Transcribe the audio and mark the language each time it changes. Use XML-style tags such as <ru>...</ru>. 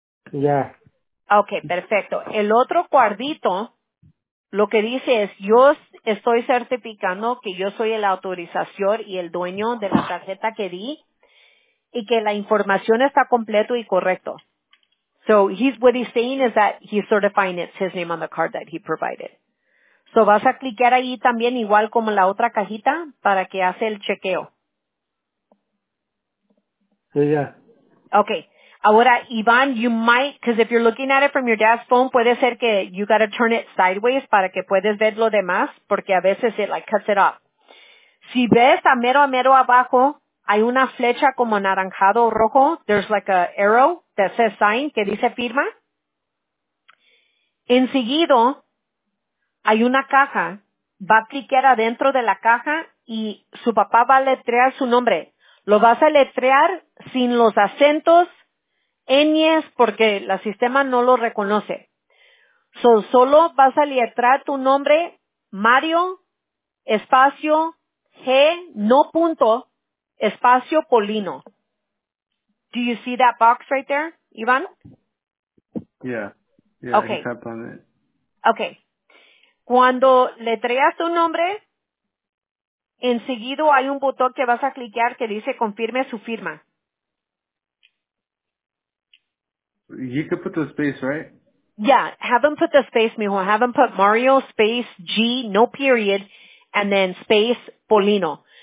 <en>Yeah. Yeah.</en> <es>Okay, perfecto. El otro cuartito, lo que dice es, yo estoy certificando que yo soy el autorizador y el dueño de la tarjeta que di y que la información está completo y correcto.</es> <en>So, what he's saying is that he's certifying it's his name on the card that he provided.</en> <es>So, vas a cliquear ahí también igual como la otra cajita para que hace el chequeo.</es> <en>Yeah. Okay. Ahora, Iván, you might, because if you're looking at it from your dad's phone,</en> <es>puede ser que</es> <en>you got to turn it sideways</en> <es>para que puedes ver lo demás, porque a veces</es> <en>it like cuts it off.</en> <es>Si ves a mero abajo, hay una flecha como anaranjado o rojo.</es> <en>There's like a arrow that says sign,</en> <es>que dice firma. Enseguido, hay una caja. Va a cliquear adentro de la caja y su papá va a letrear su nombre. Lo vas a letrear sin los acentos, ñes, porque el sistema no lo reconoce. So, solo vas a letrar tu nombre, Mario, espacio, G, no punto, espacio, Polino.</es> <en>Do you see that box right there, Iván? Yeah. Okay. I tap on it. Okay.</en> <es>Cuando letreas tu nombre, enseguido hay un botón que vas a cliquear que dice confirme su firma.</es> <en>You could put the space, right? Yeah, have them put the space, mijo. Have them put Mario, space, G, no period, and then space, Polino.</en>